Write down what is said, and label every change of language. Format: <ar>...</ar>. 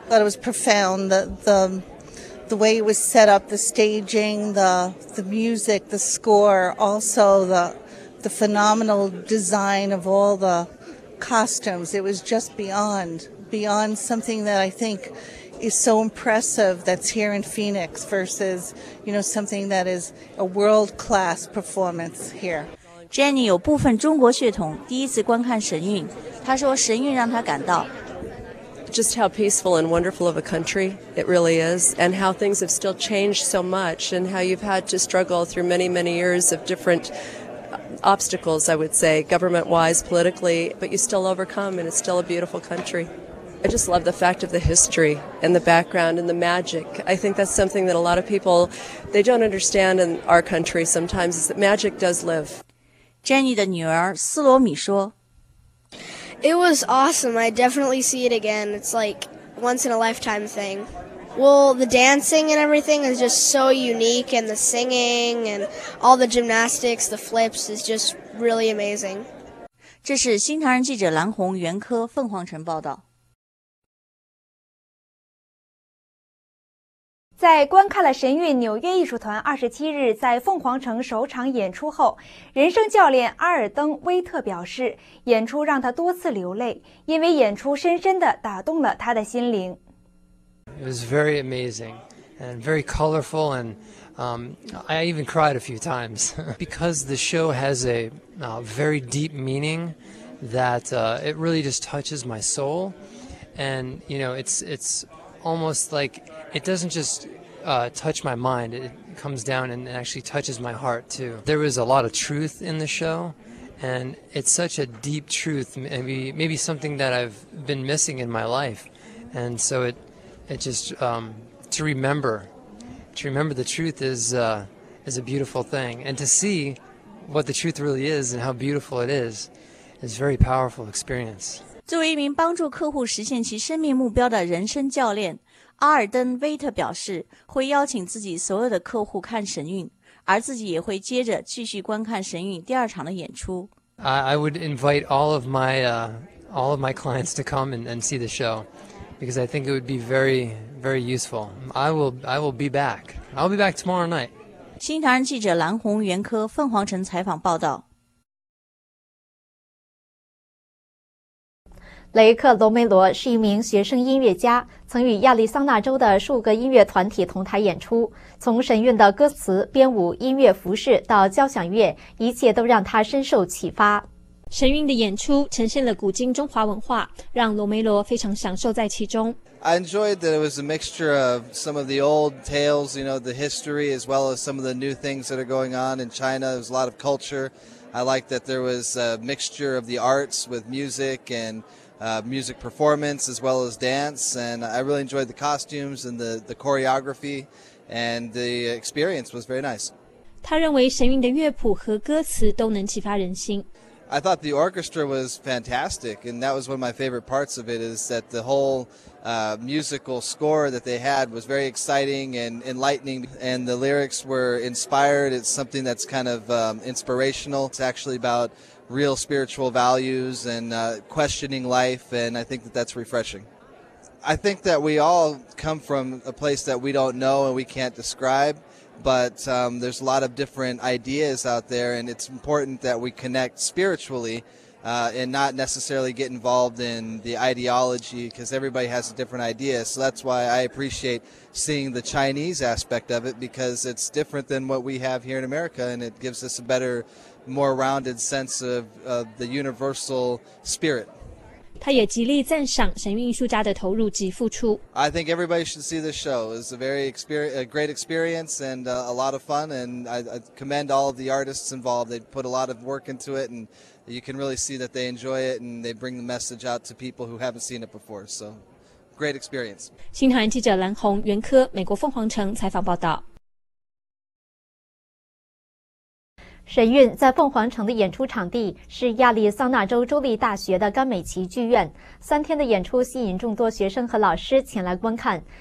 <en>But it was profound, the way it was set up, the staging, the music, the score, also the phenomenal design of all the costumes. It was just beyond something that I think is so impressive that's here in Phoenix versus, you know, something that is a world-class performance here.</en> <zh>Jenny 有部分中国血统，第一次观看神韵，她说神韵让她感到</zh> <en>just how peaceful and wonderful of a country it really is, and how things have still changed so much, and how you've had to struggle through many, many years of different obstacles, I would say, government-wise, politically, but you still overcome, and it's still a beautiful country. I just love the fact of the history and the background and the magic. I think that's something that a lot of people, they don't understand in our country sometimes, is that magic does live.</en> <zh>Jenny 的女儿斯罗米说</zh> <en>It was awesome. I definitely see it again. It's like once in a lifetime thing. Well, the dancing and everything is just so unique, and the singing and all the gymnastics, the flips is just really amazing.</en> <zh>这是新唐人记者蓝红袁科凤凰城报道。在观看了神韵纽约艺术团27日在凤凰城首场演出后，人生教练阿尔登·威特表示，演出让他多次流泪，因为演出深深地打动了他的心灵。</zh> <en>It was very amazing and very colorful, and I even cried a few times because the show has a very deep meaning that it really just touches my soul, and you know it's almost like. It doesn't just touch my mind, it comes down and actually touches my heart too. There was a lot of truth in the show, and it's such a deep truth, maybe something that I've been missing in my life. And so it just, to remember the truth is a beautiful thing. And to see what the truth really is and how beautiful it is a very powerful experience.</en> <zh>作为一名帮助客户实现其生命目标的人生教练，阿尔登·威特表示会邀请自己所有的客户看神韵，而自己也会接着继续观看神韵第二场的演出。</zh> <en>I would invite all of my clients to come and see the show because I think it would be very, very useful. I will be back. I'll be back tomorrow night.</en> <zh>新唐人记者蓝红袁科凤凰城采访报道。雷克·罗梅罗是一名学生音乐家，曾与亚利桑那州的数个音乐团体同台演出。从神韵的歌词、编舞、音乐服饰到交响乐，一切都让他深受启发。神韵的演出呈现了古今中华文化，让罗梅罗非常享受在其中。</zh> <en>I enjoyed that it was a mixture of some of the old tales, you know, the history, as well as some of the new things that are going on in China. There's a lot of culture. I like that there was a mixture of the arts with music andmusic performance as well as dance, and I really enjoyed the costumes and the choreography, and the experience was very nice.</en> <zh>他认为神韵的乐谱和歌词都能启发人心。</zh> <en>I thought the orchestra was fantastic, and that was one of my favorite parts of it, is that the whole musical score that they had was very exciting and enlightening, and the lyrics were inspired. It's something that's kind of inspirational. It's actually about real spiritual values and questioning life, and I think that that's refreshing. I think that we all come from a place that we don't know and we can't describe. But there's a lot of different ideas out there, and it's important that we connect spiritually and not necessarily get involved in the ideology, because everybody has a different idea. So that's why I appreciate seeing the Chinese aspect of it, because it's different than what we have here in America, and it gives us a better, more rounded sense of the universal spirit.</en> <zh>他也极力赞赏神韵艺术家的投入及付出。</zh> <en>I think everybody should see this show. It's a very great experience and a lot of fun. And I commend all of the artists involved. They put a lot of work into it, and you can really see that they enjoy it and they bring the message out to people who haven't seen it before. So, great experience.</en> <zh>新唐人记者蓝红、袁科，美国凤凰城采访报道。神韵在凤凰城的演出场地是亚利桑那州州立大学的甘美奇剧院。三天的演出吸引众多学生和老师前来观看。</zh>